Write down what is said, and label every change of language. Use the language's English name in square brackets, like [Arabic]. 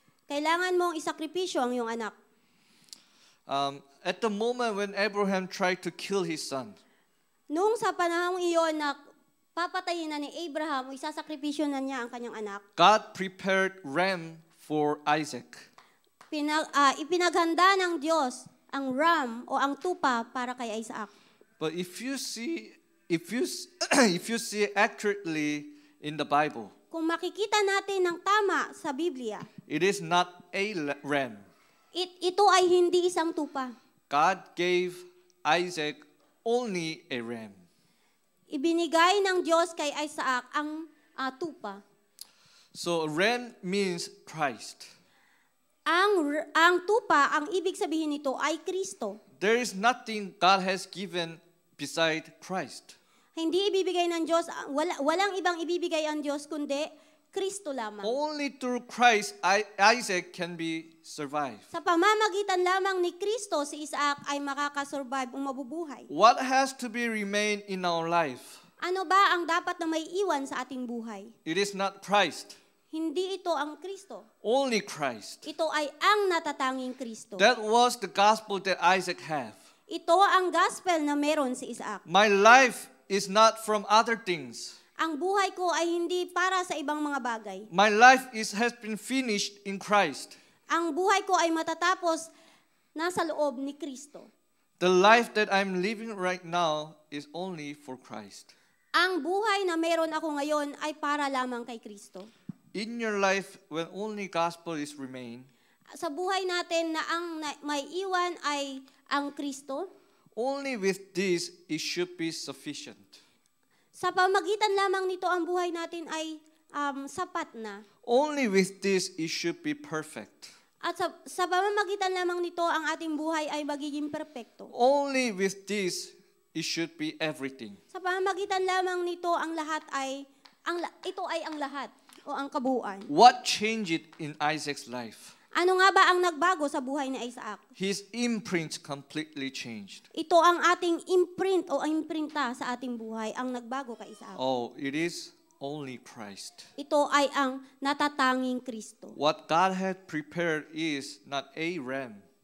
[Filipino] Kailangan mong isakripisyo ang iyong anak. [English] At the moment when Abraham tried to kill his son, [Filipino] nung sa panahon iyon na papatayin na ni Abraham o isasakripisyo na niya ang kanyang anak, [English] God prepared ram for Isaac. [Filipino] Ipinaghanda ng Diyos ang ram o ang tupa para kay Isaac. [English] But if you see accurately in the Bible, [Filipino] kung makikita natin ng tama sa Biblia, [English] it is not a ram. [Filipino] Ito ay hindi isang tupa. [English] God gave Isaac only a ram. [Filipino] Ibinigay ng Diyos kay Isaac ang tupa. [English] So ram means Christ. [Filipino] Ang tupa, ang ibig sabihin nito ay Kristo. [English] There is nothing God has given beside Christ. [Filipino] Hindi ibibigay ng Diyos, walang ibang ibibigay ang Diyos kundi Kristo lamang. [English] Only through Christ, Isaac can be survived. [Filipino] Sa pamamagitan lamang ni Kristo, si Isaac ay makakasurvive o mabubuhay. [English] What has to be remained in our life? [Filipino] Ano ba ang dapat na may iwan sa ating buhay? [English] It is not Christ. [Filipino] Hindi ito ang Kristo. [English] Only Christ. [Filipino] Ito ay ang natatanging Kristo. [English] That was the gospel that Isaac had. [Filipino] Ito ang gospel na meron si Isaac. [English] My life is not from other things. [Filipino] Ang buhay ko ay hindi para sa ibang mga bagay. [English] My life has been finished in Christ. [Filipino] Ang buhay ko ay matatapos nasa loob ni Kristo. [English] The life that I'm living right now is only for Christ. [Filipino] Ang buhay na meron ako ngayon ay para lamang kay Kristo. [English] In your life, when only gospel is remained, [Filipino] sa buhay natin na ang may iwan ay ang Kristo, [English] only with this, it should be sufficient. [Filipino] Sa pamagitan lamang nito, ang buhay natin ay sapat na. [English] Only with this, it should be perfect. [Filipino] At sa pamamagitan lamang nito, ang ating buhay ay magiging perpekto. [English] Only with this, it should be everything. [Filipino] Sa pamamagitan lamang nito, ito ay ang lahat o ang kabuuan. [English] What changed in Isaac's life? [Filipino] Ano nga ba ang nagbago sa buhay ni Isaac? [English] His imprint completely changed. [Filipino] Ito ang ating imprint o imprinta sa ating buhay ang nagbago kay Isaac. [English] Oh, it is only Christ. [Filipino] Ito ay ang natatanging Kristo. [English] What God had prepared is not a ram.